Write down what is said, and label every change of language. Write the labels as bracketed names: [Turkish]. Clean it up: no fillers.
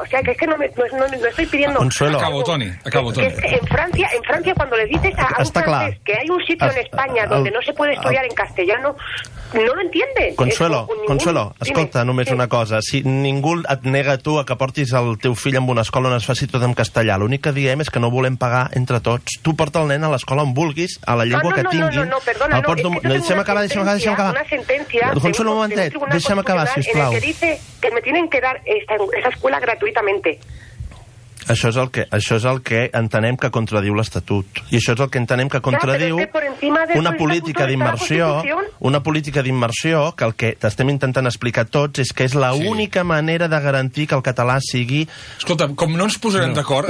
[Spanish] O sea, que es que no estoy pidiendo Consuelo. Acabo, Toni. Es que en Francia cuando le dices a un francés que hay un sitio en España donde no se puede estudiar en castellano, no lo entiende. [Catalan] Consuelo, escolta, dime, només una cosa. Si ningú et nega tu a que portis el teu fill en una escola on es faci tot en castellà, l'únic que diem és que no volem pagar entre tots. Tu porta el nen a l'escola on vulguis, a la llengua que tinguin. Deixa'm acabar. Una sentència... Consuelo, un momentet. Deixa'm acabar, sisplau. [Spanish] En el que dice que me tienen que dar esa escuela gratuitamente. [Catalan] Això és el que entenem que contradiu l'Estatut. I això és el que entenem que contradiu una política d'immersió que el que estem intentant explicar tots és que és l'única manera de garantir que el català sigui... Escolta, com no ens posarem d'acord...